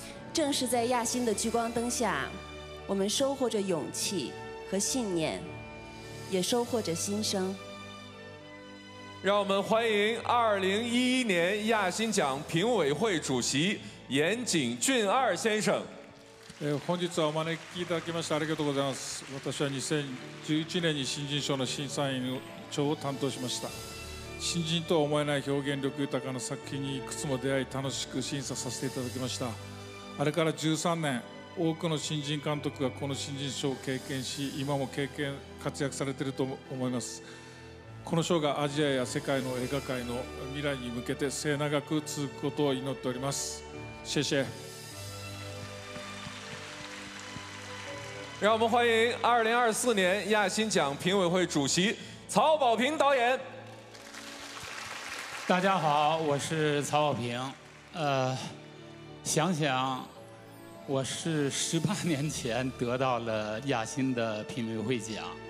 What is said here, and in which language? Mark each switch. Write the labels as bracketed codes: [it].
[zh] 正是在亚新的聚光灯下，我们收获着勇气和信念，也收获着新生。让我们欢迎2011年亚新奖评委会主席岩井俊二先生。 [ja] 本日はお招きいただきましてありがとうございます。私は2011年に新人賞の審査員長を担当しました。新人とは思えない表現力豊かな作品にいくつも出会い、楽しく審査させていただきました。あれから13年、多くの新人監督がこの新人賞を経験し、今も経験活躍されていると思います。この賞がアジアや世界の映画界の未来に向けて末永く続くことを祈っております。 [zh] 谢谢。让我们欢迎2024年亚新奖评委会主席曹保平导演。大家好，我是曹保平。想想，我是18年前得到了亚新的评委会奖。